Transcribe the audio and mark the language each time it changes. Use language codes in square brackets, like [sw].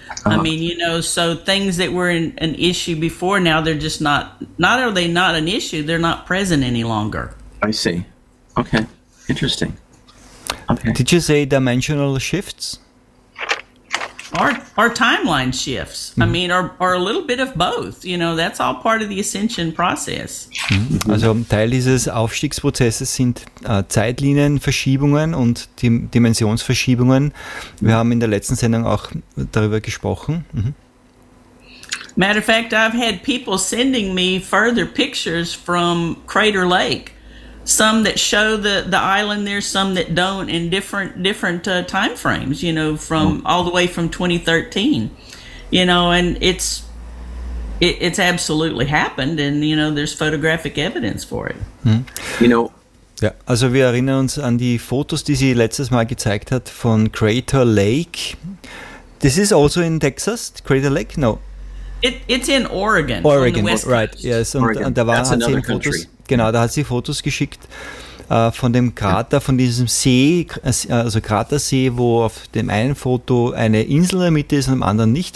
[en] Uh-huh. I mean, you know, so things that were an issue before, now they're just not are they not an issue, they're not present any longer. I see. Okay. Interesting. Okay. Did you say dimensional shifts? Our timeline shifts. Mm-hmm. I mean, or a little bit of both. You know, that's all part of the ascension process. Mm-hmm. [de] Also, Teil dieses Aufstiegsprozesses sind Zeitlinienverschiebungen und Dimensionsverschiebungen. Wir haben in der letzten Sendung auch darüber gesprochen. [en] Mm-hmm. Matter of fact, I've had people sending me further pictures from Crater Lake. Some that show the island there, some that don't, in different time frames, you know, from all the way from 2013, you know, and it's absolutely happened, and you know, there's photographic evidence for it. Mm. You know, [de] ja, also wir erinnern uns an die Fotos, die sie letztes Mal gezeigt hat von Crater Lake. [en] This is also in Texas, Crater Lake? No. It's in Oregon. Oregon, on the West right? Coast. Yes, and [de] da waren sie in Fotos. Genau, da hat sie Fotos geschickt von dem Krater, von diesem See, also Kratersee, wo auf dem einen Foto eine Insel in der Mitte ist und am anderen nicht.